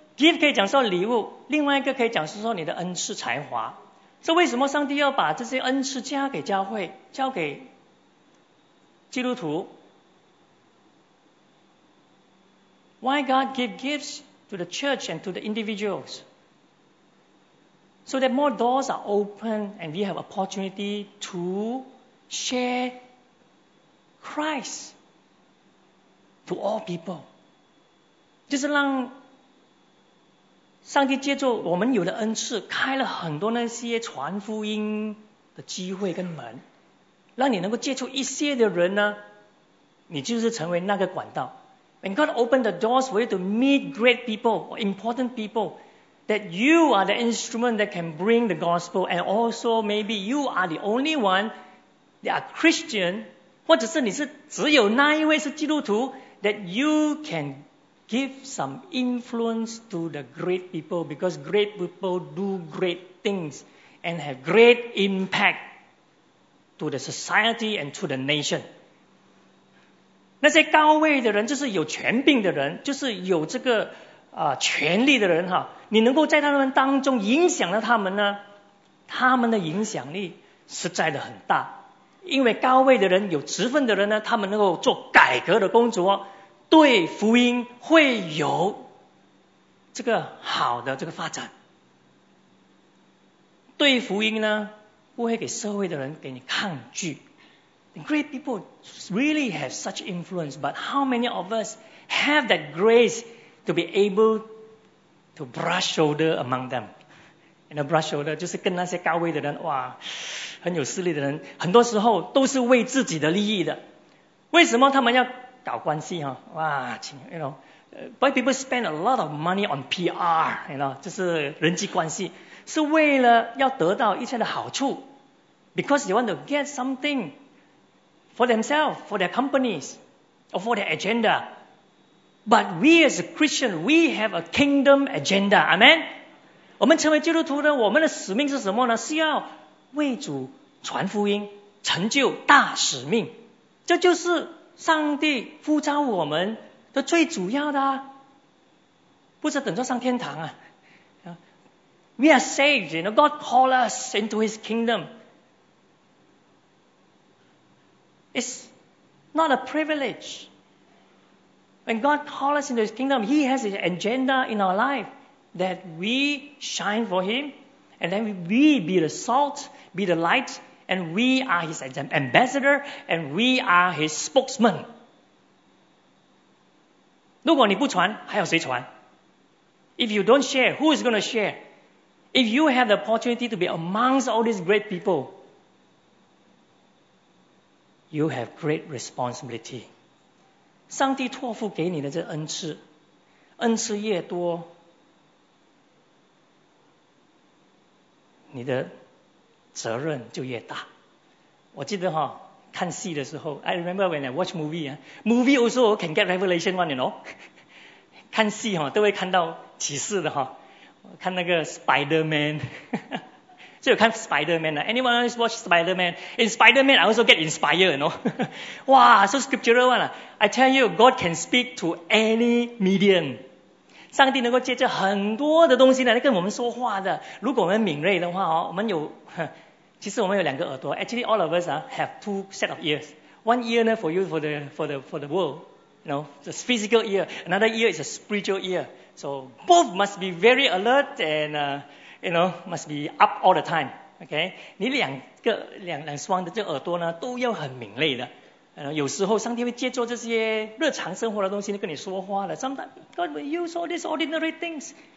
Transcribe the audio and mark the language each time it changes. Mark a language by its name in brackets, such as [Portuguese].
[Chinese] Gift 可以讲说礼物，另外一个可以讲是说你的恩赐才华。所以为什么上帝要把这些恩赐加给教会，交给基督徒？ [English] Why God give gifts to the church and to the individuals? So that more doors are open and we have opportunity to share Christ to all people. [Chinese] 就是让上帝借助我们有的恩赐，开了很多那些传福音的机会跟门，让你能够接触一些的人呢，你就是成为那个管道。 [English] When God opened the doors for you to meet great people or important people, that you are the instrument that can bring the gospel, and also maybe you are the only one that are Christian, [Chinese] 或者是你是只有那一位是基督徒 [English] that you can give some influence to the great people, because great people do great things and have great impact to the society and to the nation. [Chinese] 那些高位的人，就是有权柄的人，就是有这个权力的人哈，你能够在他们当中影响了他们呢，他们的影响力实在的很大。因为高位的人，有职分的人呢，他们能够做改革的工作，对福音会有这个好的这个发展。对福音呢，不会给社会的人给你抗拒。 [English] Great people really have such influence, but how many of us have that grace to be able to brush shoulder among them? And a brush shoulder [Chinese] 就是跟那些高位的人，哇，很有势力的人，很多时候都是为自己的利益的。为什么他们要搞关系哈？ [English] 哇，请 you know, but people spend a lot of money on PR, you know, [Chinese] 就是人际关系，是为了要得到一切的好处 [English] ，because they want to get something for themselves, for their companies, or for their agenda. But we as a Christian, we have a kingdom agenda. Amen. [Chinese] 我们成为基督徒呢，我们的使命是什么呢？是要为主传福音，成就大使命。这就是上帝呼召我们的最主要的啊，不是等着上天堂啊。 [English] We are saved, you know, God called us into His kingdom. It's not a privilege. When God called us into His kingdom, He has His agenda in our life that we shine for Him, and then we be the salt, be the light, and we are His ambassador, and we are His spokesman. [Chinese] 如果你不传，还有谁传？ [English] If you don't share, who is going to share? If you have the opportunity to be amongst all these great people, you have great responsibility. [Chinese] 上帝托付给你的这恩赐，恩赐越多，你的责任就越大。我记得哈，看戏的时候 [English] ，I remember when I watch movie, movie also can get revelation one, you know. [Chinese] 看戏哈，都会看到启示的哈。我看那个 Spider-Man, 就有看 Spider-Man 啊。 [English] Anyone else watch Spider-Man? In Spider-Man, I also get inspired, you know. 哇 so scriptural one 啊。 I tell you, God can speak to any medium. [Chinese] 上帝能够借着很多的东西来跟我们说话的。如果我们敏锐的话，我们有，其实我们有两个耳朵。 [English] Actually, all of us have two set of ears. One ear for you, for the world, you know, the physical ear. Another ear is a spiritual ear. So both must be very alert and, you know, must be up all the time. [Chinese] Okay, 你两双的这耳朵呢，都要很敏锐的。有时候上帝会借助这些日常生活的东西跟你说话的。 [English] Sometimes God will use all these ordinary things.